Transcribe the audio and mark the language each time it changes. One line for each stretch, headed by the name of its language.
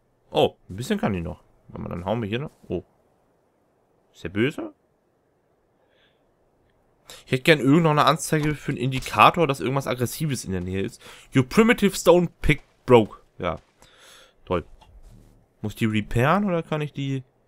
German: Oh, ein bisschen kann die noch. Dann hauen wir hier noch. Oh. Ist der böse? Ich hätte gern irgendeine Anzeige für einen Indikator, dass irgendwas Aggressives in der Nähe ist.
English: Your primitive stone pick broke.
German: Ja. Toll. Muss ich die repairen oder kann ich die...